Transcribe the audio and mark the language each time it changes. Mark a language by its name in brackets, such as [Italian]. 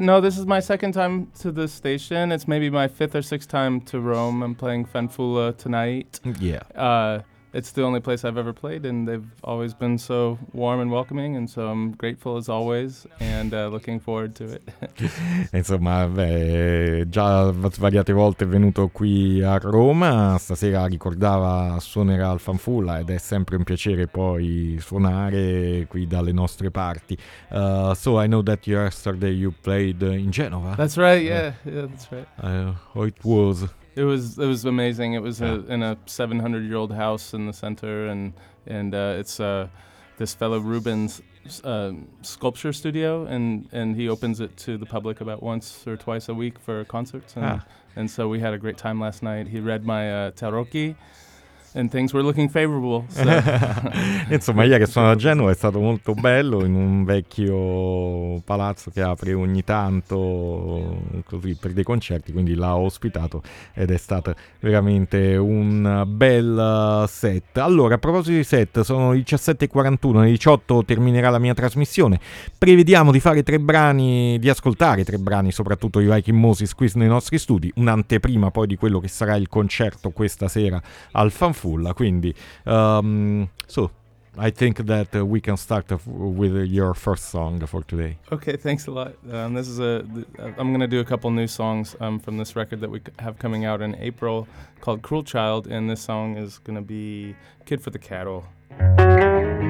[English] No, this is my second time to the station. It's maybe my fifth or sixth time to Rome. I'm playing Fanfula tonight. Yeah. It's the only place I've ever played, and they've always been so warm and welcoming, and so I'm grateful as always, and looking forward to it. [Italian] Insomma, beh, già svariate volte è venuto qui a Roma, stasera ricordava suonerà al Fanfula, ed è sempre un piacere poi suonare qui dalle nostre parti. [English] So I know that yesterday you played in Genova. That's right, yeah, that's right. How it was? It was amazing. It was in a 700-year-old house in the center, and it's this fellow Rubens sculpture studio, and he opens it to the public about once or twice a week for concerts, and so we had a great time last night. He read my tarocchi. And things were looking favorable. So. [Italian] Insomma, io che sono a Genova è stato molto bello, in un vecchio palazzo che apre ogni tanto così per dei concerti, quindi l'ha ospitato ed è stato veramente un bel set. Allora, a proposito di set, sono 17:41, alle 18 terminerà la mia trasmissione. Prevediamo di fare tre brani, di ascoltare tre brani, soprattutto i Viking Moses qui nei nostri studi, un'anteprima poi di quello che sarà il concerto questa sera al Fanfare. Fulla, quindi [English] so I think that we can start with your first song for today. Okay, thanks a lot. This is I'm gonna do a couple new songs from this record that we have coming out in April called Cruel Child, and this song is gonna be Kid for the Cattle.